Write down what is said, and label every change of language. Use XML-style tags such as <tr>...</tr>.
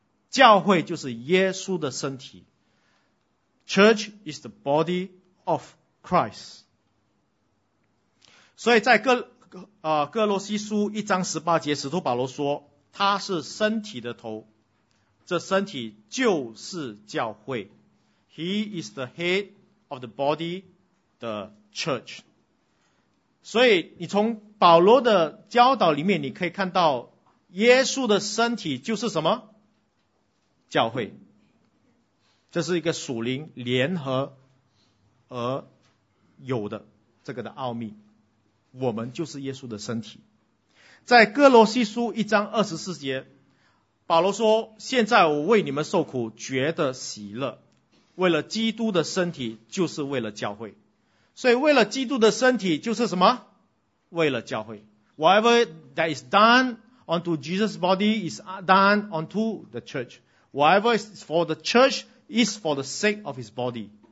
<zh>教会就是耶稣的身体。</zh> <en>Church is the body of Christ。</en> <zh>所以在哥罗西书1:18，使徒保罗说他是身体的头，这身体就是教会。</zh> <en>He is the head of the body, the church.</en> <zh>所以你从保罗的教导里面，你可以看到耶稣的身体就是什么？教会。这是一个属灵联合而有的这个的奥秘。我们就是耶稣的身体。在哥罗西书1:24，保罗说，现在我为你们受苦觉得喜乐，为了基督的身体，就是为了教会。所以为了基督的身体就是什么？为了教会。</zh> <en>Whatever that is done unto Jesus' body is done unto the church. Whatever is for the church is for the sake of his body.</en>